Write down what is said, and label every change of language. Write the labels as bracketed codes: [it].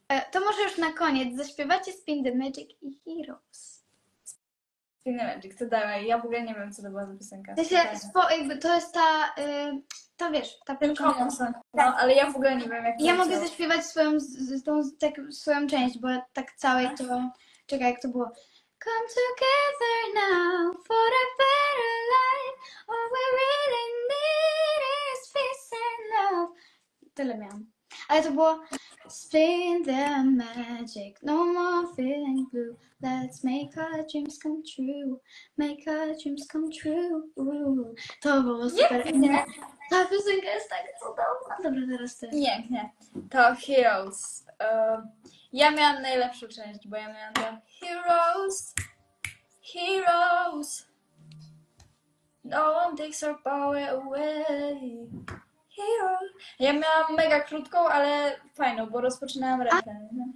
[pl] To może już na koniec, zaśpiewacie Spin the Magic i Heroes. Spin the Magic, to dalej. Ja w ogóle nie wiem, co to była za piosenka. To jest ta, to wiesz, ta piosenka. No, ale ja w ogóle nie wiem, jak to ja mogę chciało. Zaśpiewać swoją część, bo tak całej to... Czekaj, jak to było? [en] Come together now for a better life. All we really need is peace and love. [pl] Tyle miałam. Ale to było... [en] Spin the magic, no more feeling blue. Let's make our dreams come true. Make our dreams come true. [pl] To było super. Nie. Ta piosenka jest tak cudowna. Dobra, teraz ty. Nie. To Heroes. Ja miałam najlepszą część, bo ja miałam tam Heroes. [en] Heroes. No one takes our power away. Hero. [pl] Ja miałam mega krótką, ale fajną, bo rozpoczynałam refren.